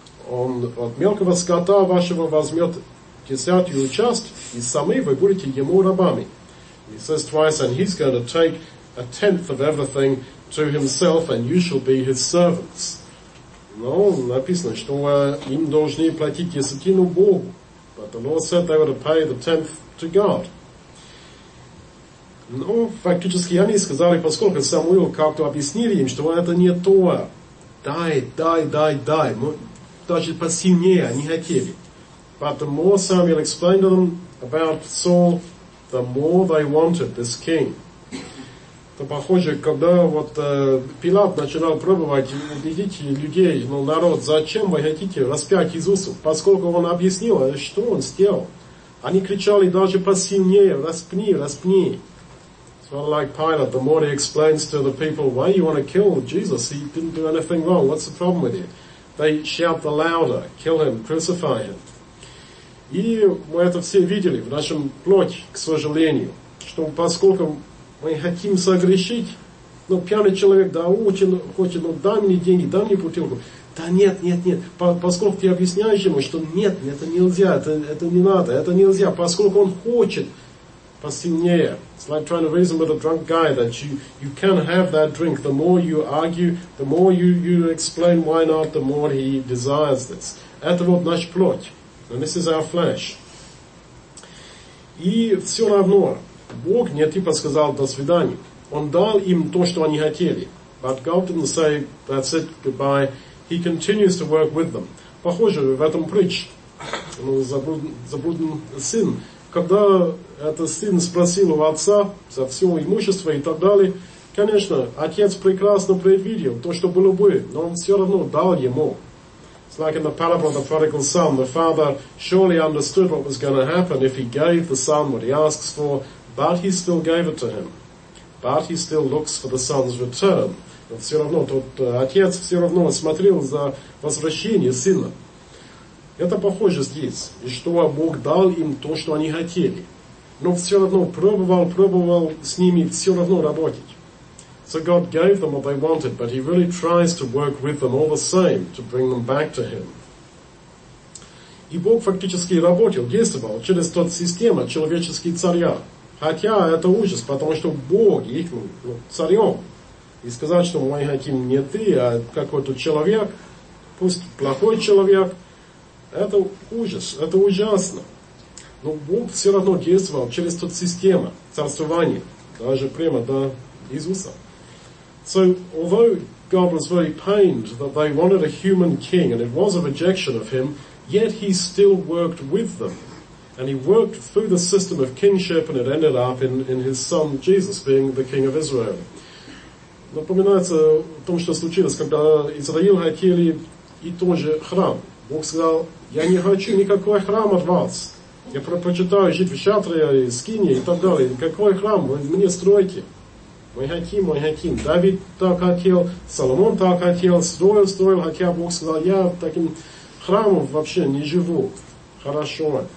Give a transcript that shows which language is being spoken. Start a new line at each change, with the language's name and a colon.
Russian: Он от мелкого скота вашего возьмет десятую часть, и сами вы будете ему рабами.
English: He says twice, and he's going to take a tenth of everything to himself, and you shall be his servants.
Russian: Но написано, что им должны платить десятину Богу.
English: But the law said they were to pay the tenth to God.
Russian: Но фактически они сказали, поскольку Самуил как-то объяснили им, что это не то. Дай, дай, дай, дай. Даже посильнее они хотели.
English: But the more Samuel explained to them about Saul, the more they wanted this king.
Russian: Это похоже, когда вот Пилат начинал пробовать убедить людей, ну, народ, зачем вы хотите распять Иисуса, поскольку он объяснил, что он сделал. Они кричали даже посильнее, распни, распни.
English: Sort of like Pilate, the more he explains to the people, why you want to kill Jesus, he didn't do anything wrong, what's the problem with you? They shout the louder, kill him, crucify him.
Russian: И мы это все видели в нашем плоти, к сожалению, что поскольку мы хотим согрешить, но пьяный человек, да, очень хочет, ну, дай мне деньги, дай мне бутылку. Да нет, нет, нет, поскольку ты объясняешь ему, что нет, это нельзя, это не надо, это нельзя, поскольку он хочет посильнее.
English: It's like trying to reason with a drunk guy that you can't have that drink. The more you argue, the more you explain why not, the more he desires this.
Russian: Это вот наш плоть.
English: And this is our flesh.
Russian: И все равно, Бог не типа сказал «до свидания». Он дал им то, что они хотели.
English: But God didn't say «that's it, goodbye». He continues to work with them.
Russian: Похоже, в этом притч, ну, заблудный сын, когда этот сын спросил у отца за все имущество и так далее, конечно, отец прекрасно предвидел то, что было бы, но он все равно дал ему.
English: It's like in the parable of the prodigal son, the father surely understood what was going to happen if he gave the son what he asks for, but he still gave it to him. But he still looks for the son's return.
Russian: Но все равно, тот отец все равно смотрел за возвращение сына. Это похоже здесь, и что Бог дал им то, что они хотели. Но все равно пробовал с ними все равно работать.
English: So God gave them what they wanted, but he really tries to work with them all the same to bring them back to him.
Russian: И Бог фактически работал, действовал через тот систему человеческий царя. Хотя это ужас, потому что Бог их, ну, царем. И сказать, что мы хотим не ты, а какой-то человек, пусть плохой человек, это ужас, это ужасно. Но Бог все равно действовал через тот систему царствования, даже прямо до Иисуса.
English: So, although God was very pained that they wanted a human king, and it was a rejection of him, yet he still worked with them. And he worked through the system of kingship, and it ended up in his son Jesus being the king of Israel.
Russian: Напоминается о том, что случилось, когда Израил хотели и тоже храм. Бог сказал, я не хочу никакой храм от вас. Я предпочитаю жить в шатре и скинии и так далее. Какой храм? Вы мне стройте. Мы хотим. Давид так хотел, Соломон так хотел, строил, хотя Бог сказал, я таким храмом вообще не живу. Хорошо.